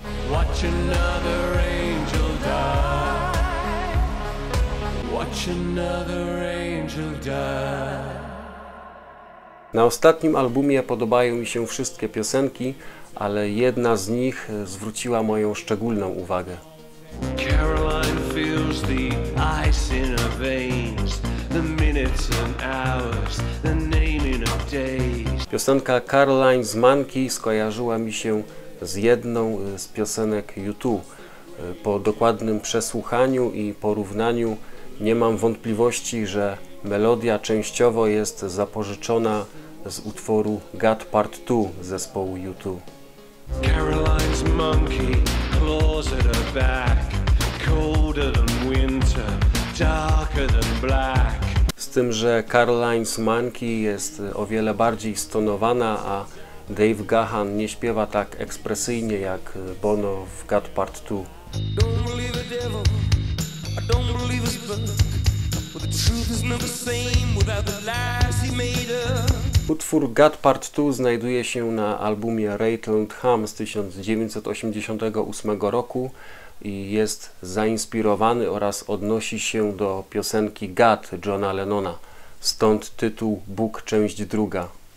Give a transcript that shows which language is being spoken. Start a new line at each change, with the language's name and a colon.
English: Watch another angel die. Watch another angel die.
Polish: Na ostatnim albumie podobają mi się wszystkie piosenki, ale jedna z nich zwróciła moją szczególną uwagę.
English: Caroline feels the ice in her veins, the minutes and hours, the naming of days.
Polish: Piosenka Caroline z Monkey skojarzyła mi się z jedną z piosenek U2. Po dokładnym przesłuchaniu i porównaniu nie mam wątpliwości, że melodia częściowo jest zapożyczona z utworu God Part 2 zespołu U2.
English: Caroline's monkey claws at her back, colder than winter, darker than black.
Polish: Z tym, że Caroline's monkey jest o wiele bardziej stonowana, a Dave Gahan nie śpiewa tak ekspresyjnie jak Bono w God Part 2.
English: Don't believe the devil, I don't believe his birth, but the truth is never the same without the lies he made up.
Polish: Utwór God Part 2 znajduje się na albumie Rattle and Hum z 1988 roku i jest zainspirowany oraz odnosi się do piosenki God Johna Lennona, stąd tytuł Bóg, część druga.